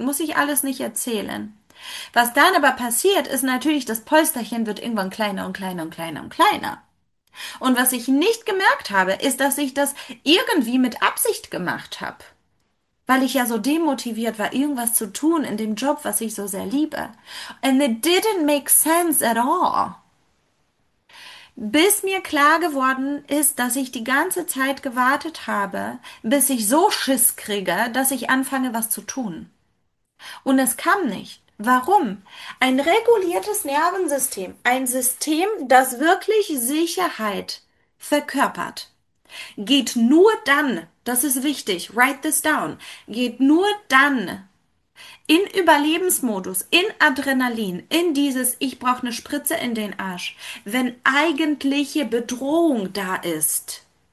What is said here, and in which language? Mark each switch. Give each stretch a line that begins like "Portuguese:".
German: Muss ich alles nicht erzählen. Was dann aber passiert, ist natürlich, das Polsterchen wird irgendwann kleiner und kleiner und kleiner und kleiner. Und was ich nicht gemerkt habe, ist, dass ich das irgendwie mit Absicht gemacht habe, weil ich ja so demotiviert war, irgendwas zu tun in dem Job, was ich so sehr liebe.
English: And it didn't make sense at all.
German: Bis mir klar geworden ist, dass ich die ganze Zeit gewartet habe, bis ich so Schiss kriege, dass ich anfange, was zu tun. Und es kam nicht. Warum? Ein reguliertes Nervensystem, ein System, das wirklich Sicherheit verkörpert, geht nur dann, das ist wichtig,
English: write this down,
German: geht nur dann in Überlebensmodus, in Adrenalin, in dieses Ich brauche eine Spritze in den Arsch, wenn eigentliche Bedrohung da ist.